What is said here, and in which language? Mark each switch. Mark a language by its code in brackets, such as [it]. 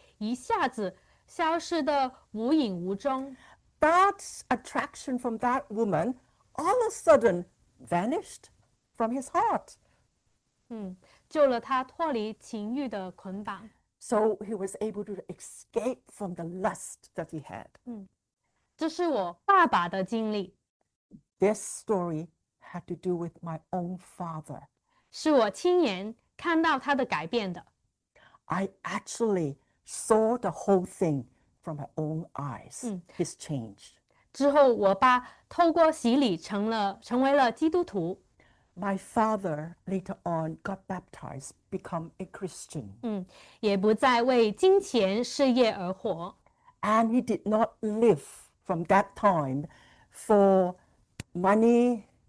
[zh] 那第三者对他的吸引力一下子消失得无影无踪。 [en] That attraction from that woman all of a sudden vanished from his heart. [zh] 救了他脱离情欲的捆绑。 [en] So he was able to escape from the lust that he had. [zh] 这是我爸爸的经历。 [en] This story had to do with my own father. [zh] 是我亲眼看到他的改变的。 [en] I actually saw the whole thing from my own eyes, his change. [zh] 之后我爸透过洗礼成为了基督徒。 [en] My father later on got baptized, become a Christian. [zh] 也不再为金钱事业而活。 [en] And he did not live from that time for money